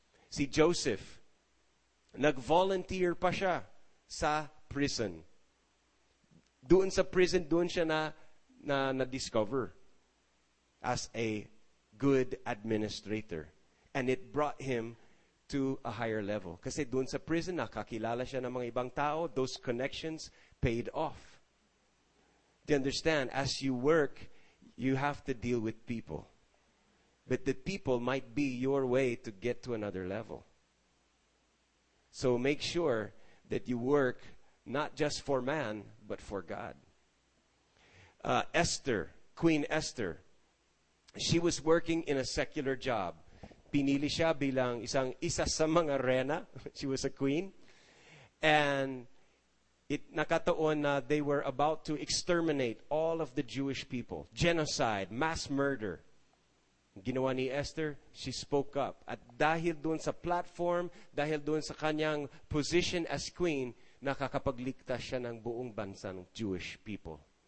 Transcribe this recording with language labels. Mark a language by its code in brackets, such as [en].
[tl] Si Joseph, nag-volunteer pa siya sa prison. Doon sa prison, doon siya na-discover [en] as a good administrator. And it brought him to a higher level. [tl] Kasi doon sa prison, nakakilala siya ng mga ibang tao, [en] those connections paid off. to understand, as you work, you have to deal with people. But the people might be your way to get to another level. So make sure that you work not just for man, but for God. Esther, Queen Esther, she was working in a secular job. [tl] Pinili siya bilang isa sa mga rena. [en] She was a queen. And it nakatoon na they were about to exterminate all of the Jewish people. Genocide, mass murder. [tl] Ginawa ni Esther, [en] she spoke up. [tl] At dahil dun sa platform, dahil dun sa kanyang position as queen, nakakapagligtas siya ng buong bansa ng Jewish people.